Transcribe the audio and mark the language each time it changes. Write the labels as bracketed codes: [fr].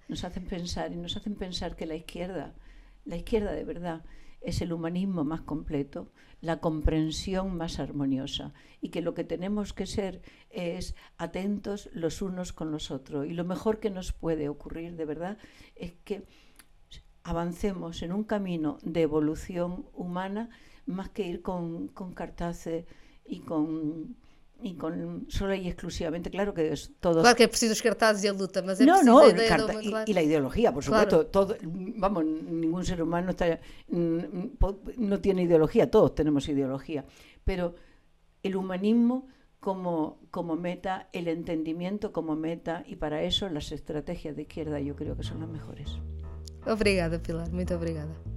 [pt] Nos fazem pensar, e nos fazem pensar que a esquerda de verdade, é o humanismo mais completo, a compreensão mais harmoniosa, e que o que temos que ser é atentos os unos com os outros. E o melhor que nos pode ocorrer, de verdade, é que avancemos em um caminho de evolução humana, mais que ir com cartazes e com... [es] Y con solo y exclusivamente, claro que es todo. Claro que es preciso los cartazes y la lucha, pero es no, preciso no, la ideología. Claro. Y la ideología, por supuesto. Claro. Todo, vamos, ningún ser humano no tiene ideología, todos tenemos ideología. Pero el humanismo como meta, el entendimiento como meta, y para eso las estrategias de izquierda yo creo que son las mejores. [pt] Obrigada, Pilar, muito obrigada.